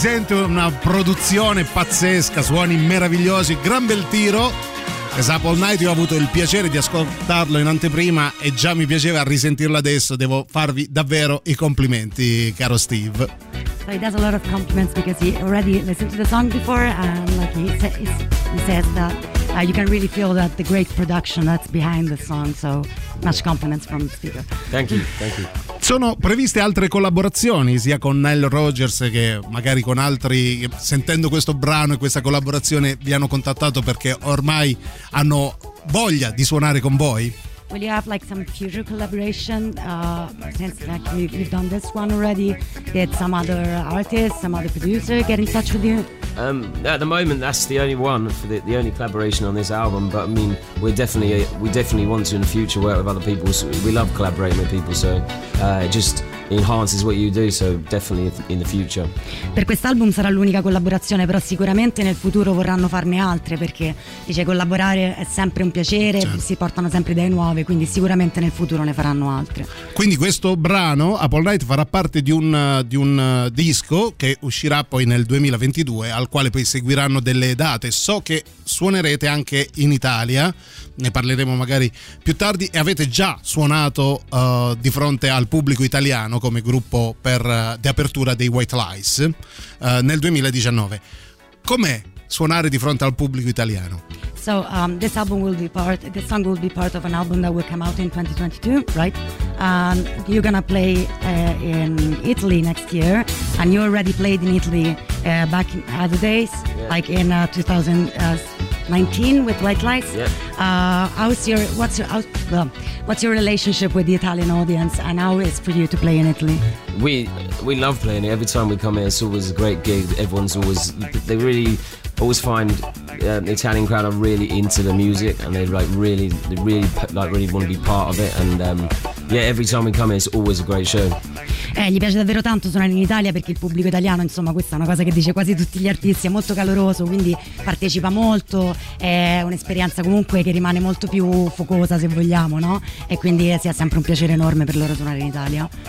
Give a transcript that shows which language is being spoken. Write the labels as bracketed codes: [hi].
[it] Una produzione pazzesca, suoni meravigliosi, gran bel tiro. As Up All Night, io ho avuto il piacere di ascoltarlo in anteprima e già mi piaceva risentirlo adesso. Devo farvi davvero i complimenti, caro Steve. [en] So he does a lot of compliments because he already listened to the song before and like he says that you can really feel that the great production that's behind the song. So much compliments from Steve. Thank you. [it] Sono previste altre collaborazioni sia con Nile Rodgers che magari con altri, sentendo questo brano e questa collaborazione vi hanno contattato perché ormai hanno voglia di suonare con voi? [en] Will you have like some future collaboration since like you've done this one already? Did some other artists, some other producer get in touch with you? At the moment that's the only one, for the only collaboration on this album, but I mean we definitely want to in the future work with other people. So we love collaborating with people, so it just enhances what you do, so definitely in the future. [it] Per quest'album sarà l'unica collaborazione, però sicuramente nel futuro vorranno farne altre, perché dice collaborare è sempre un piacere, certo. Si portano sempre idee nuove, quindi sicuramente nel futuro ne faranno altre. Quindi questo brano Up All Night farà parte di un disco che uscirà poi nel 2022, al quale poi seguiranno delle date. So che suonerete anche in Italia, ne parleremo magari più tardi, e avete già suonato di fronte al pubblico italiano come gruppo di apertura dei White Lies nel 2019. Com'è suonare di fronte al pubblico italiano? [en] So this song will be part of an album that will come out in 2022, right? And you're gonna play in Italy next year, and you already played in Italy back in other days, yeah. Like in 2019 with White Lies. Yeah. What's your relationship with the Italian audience, and how is for you to play in Italy? We love playing it. Every time we come here, it's always a great gig. Everyone's always always find the Italian crowd are really into the music, and they really want to be part of it. And Yeah, every time we come here, it's always a great show. [it] Gli piace davvero tanto suonare in Italia, perché il pubblico italiano, insomma, questa è una cosa che dice quasi tutti gli artisti, è molto caloroso, quindi partecipa molto, è un'esperienza comunque che rimane molto più focosa, se vogliamo, no? E quindi sia sempre un piacere enorme per loro suonare in Italia.